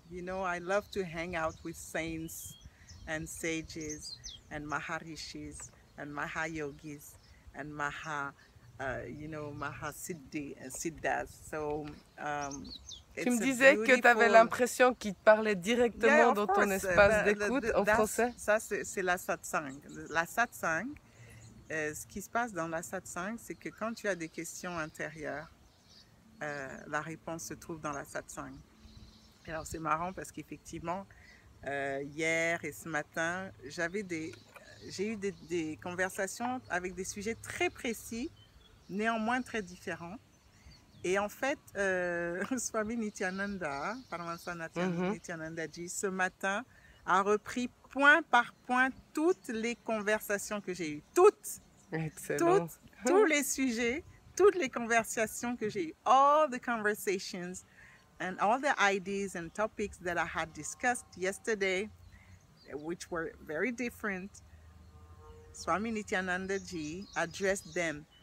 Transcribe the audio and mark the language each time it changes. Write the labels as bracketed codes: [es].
[en] You know, I love to hang out with saints and sages and maharishis and mahayogis and mahasiddhas. So, it's [fr] tu me disais [en] beautiful... [fr] que tu avais l'impression qu'il te parlait directement dans ton espace d'écoute en français. Ça, c'est la satsang. La satsang, ce qui se passe dans la satsang, c'est que quand tu as des questions intérieures, la réponse se trouve dans la satsang. Alors c'est marrant parce qu'effectivement, hier et ce matin, j'ai eu des conversations avec des sujets très précis, néanmoins très différents. Et en fait, Swami Nityananda, Paramahamsa Nityananda ji, ce matin a repris point par point toutes les conversations que j'ai eues. Toutes! Excellent! Tous les sujets! Toutes les conversations que j'ai eues, [en] all the conversations and all the ideas and topics that I had discussed yesterday, which were very different, Swami Nityananda ji addressed them